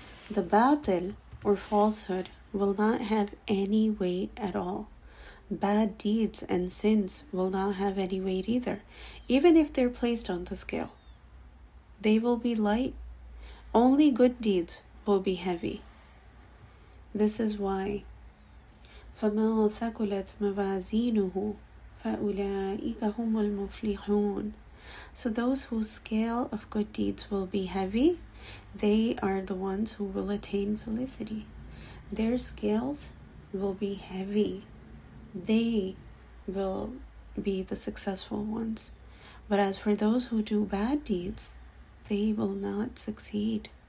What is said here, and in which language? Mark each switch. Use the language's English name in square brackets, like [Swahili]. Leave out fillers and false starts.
[English] The batil, or falsehood, will not have any weight at all. Bad deeds and sins will not have any weight either, even if they're placed on the scale. They will be light. Only good deeds will be heavy. This is why [Arabic] فَمَنْ ثَقُلَتْ مَوَازِينُهُ فَأُولَٰئِكَ هُمُ الْمُفْلِحُونَ. [English] So those whose scale of good deeds will be heavy, they are the ones who will attain felicity. Their scales will be heavy. They will be the successful ones. But as for those who do bad deeds, they will not succeed.